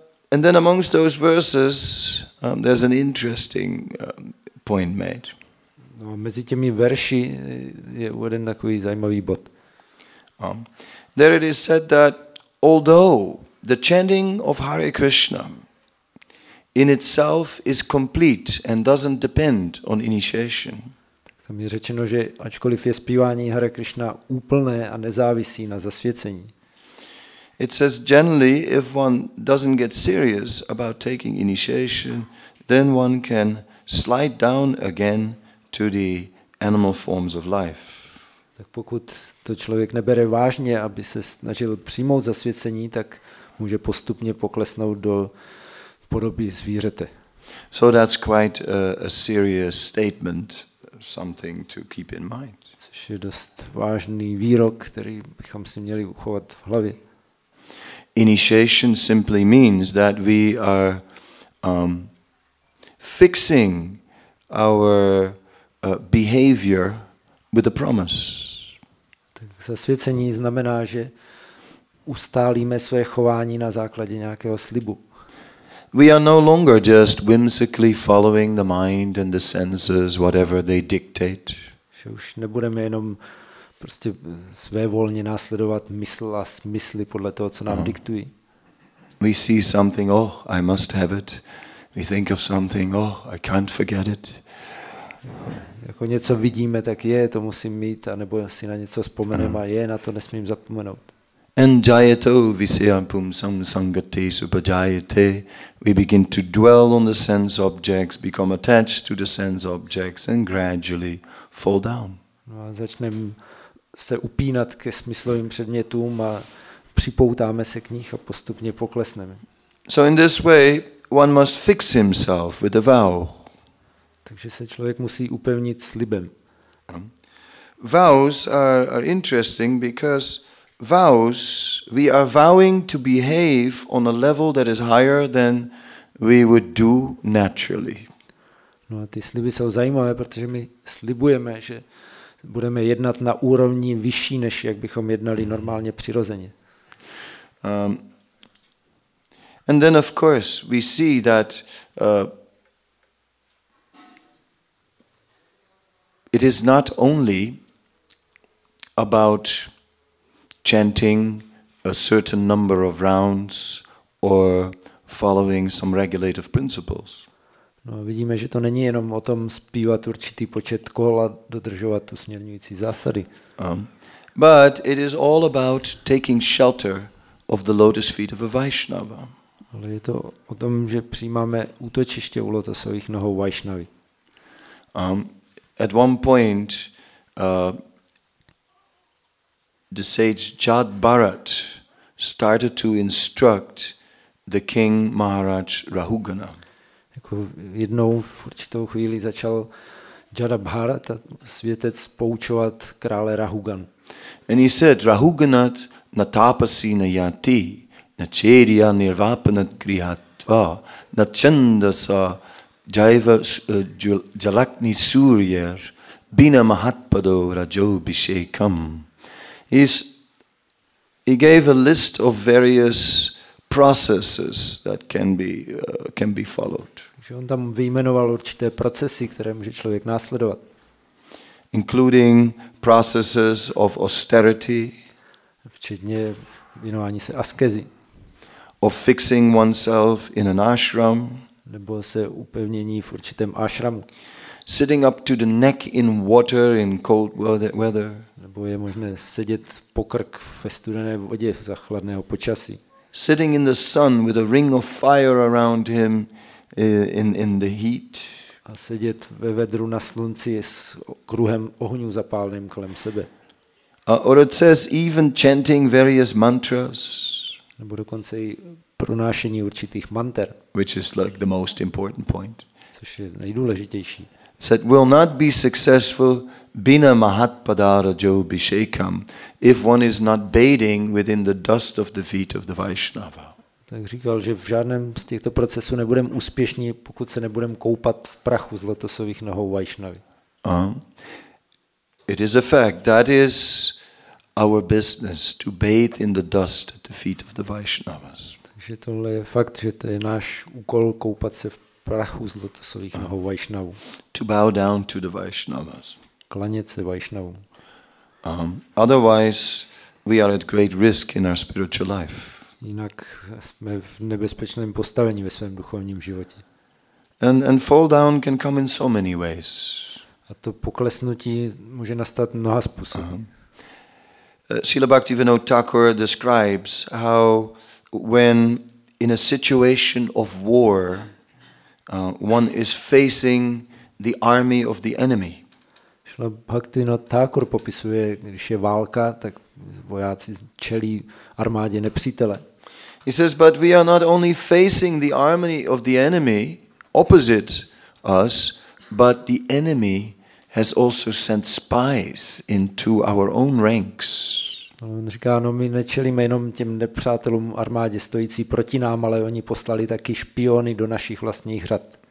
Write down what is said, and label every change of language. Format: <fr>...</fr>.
<en>and then amongst those verses, there's an interesting point made.</en> <cs>No, mezi těmi verši je uveden takový zajímavý bod.</cs> <en>There it is said that although the chanting of Hare Krishna in itself is complete and doesn't depend on initiation.</en> <cs>Tam je řečeno, že ačkoliv je zpívání Hare Krishna úplné a nezávisí na zasvěcení.</cs> <en>It says generally if one doesn't get serious about taking initiation, then one can slide down again to the animal forms of life.</en> <cs>Tak pokud to člověk nebere vážně, aby se snažil přijmout zasvěcení, tak může postupně poklesnout do podobí zvířete.</cs> <en>So that's quite a serious statement, something to keep in mind.</en> <cs>Což je dost vážný výrok, který bychom si měli uchovat v hlavě.</cs> <en>Initiation simply means that we are fixing our behavior with a promise.</en> <cs>Tak zasvěcení znamená, že ustálíme své chování na základě nějakého slibu.</cs> <en>We are no longer just whimsically following the mind and the senses, whatever they dictate.</en> <cs>Že už nebudeme jenom prostě svévolně následovat mysl a smysly podle toho, co nám diktují.</cs> <en>We see something, oh, I must have it. We think of something, oh, I can't forget it.</en> <cs>Jako něco vidíme, tak je, to musím mít, anebo si na něco vzpomeneme a je, na to nesmím zapomenout.</cs> <en>And</en> <sa>jayato visyampum samsangate subajayate,</sa> <en>we begin to dwell on the sense objects, become attached to the sense objects and gradually fall down.</en> <cs>No a začneme se upínat ke smyslovým předmětům a připoutáme se k nich a postupně poklesneme.</cs> <en>So in this way one must fix himself with a vow.</en> <cs>Takže se člověk musí upevnit slibem.</cs> <en>Vows are interesting because vows, we are vowing to behave on a level that is higher than we would do naturally.</en> <cs>No a ty sliby jsou zajímavé, protože my slibujeme, že budeme jednat na úrovni vyšší, než jak bychom jednali normálně přirozeně.</cs> <en>And then of course we see that it is not only about chanting a certain number of rounds or following some regulative principles.</en> <cs>No, vidíme, že to není jenom o tom zpívat určitý počet kol a dodržovat usměrňující zásady.</cs> <en>But it is all about taking shelter of the lotus feet of a Vaishnava.</en> <cs>Ale je to o tom, že přijímáme útočiště u lotosových nohou Vaishnavy.</cs> <en>At one point the sage Jad Bharat started to instruct the king Maharaj Rahugana.</en> <cs>Jako jednou v určitou chvíli začal Jada Bharat, světec, poučovat krále Rahugan.</cs> <en>And he said,</en> <sa>Rahuganat natapasi nayati, nacherya nirvapanat krihatva, nachandasa jaiva jalakni suryer, bina mahatpado rajobishekam.</sa> <en>He gave a list of various processes that can be followed.</en> <cs>Že on tam vyjmenoval určité procesy, které může člověk následovat.</cs> <en>Including processes of austerity.</en> <cs>Včetně věnování se askezi.</cs> <en>Of fixing oneself in an ashram.</en> <cs>Nebo se upevnění v určitém ashramu.</cs> <en>Sitting up to the neck in water in cold weather.</en> <cs>Nebo je možné sedět po krk ve studené vodě za chladného počasí.</cs> <en>Sitting in the sun with a ring of fire around him in the heat.</en> <cs>A sedět ve vedru na slunci s kruhem ohňů zapáleným kolem sebe.</cs> <en>Or it says even chanting various mantras.</en> <cs>Nebo dokonce i pronášení určitých mantr.</cs> <en>Which is like the most important point.</en> <cs>Což je nejdůležitější.</cs> <en>Said will not be successful</en> <sa>bina mahatpadara jobishekam</sa> <en>if one is not bathing within the dust of the feet of the Vaishnava.</en> <cs>Tak říkal, že v žádném z těchto procesů nebudem úspěšní, pokud se nebudem koupat v prachu z lotosových nohou Vaishnavy.</cs> <en>It is a fact that is our business to bathe in the dust at the feet of the Vaishnavas.</en> <cs>Takže tohle je fakt, že to je náš úkol koupat se v prachu z lotosových nohou Vaishnavu.</cs> <en>To bow down to the Vaishnavas.</en> <cs>Klanět se Vaishnavu.</cs> <en>Otherwise we are at great risk in our spiritual life.</en> <cs>Jinak jsme v nebezpečném postavení ve svém duchovním životě.</cs> <en>And fall down can come in so many ways.</en> <cs>A to poklesnutí může nastat mnoha způsoby.</cs> <en>Srila Bhaktivinoda Thakur describes how when in a situation of war one is facing the army of the enemy.</en> <cs>Srila Bhaktivinoda Thakur popisuje, když je válka, tak vojáci čelí armádě nepřítele.</cs> <en>He says, but we are not only facing the army of the enemy opposite us, but the enemy has also sent spies into our own ranks.</en> <cs>On říká, no my nečelíme jenom těm nepřátelům armádě stojící proti nám, ale oni poslali taky špiony do našich vlastních řad.</cs>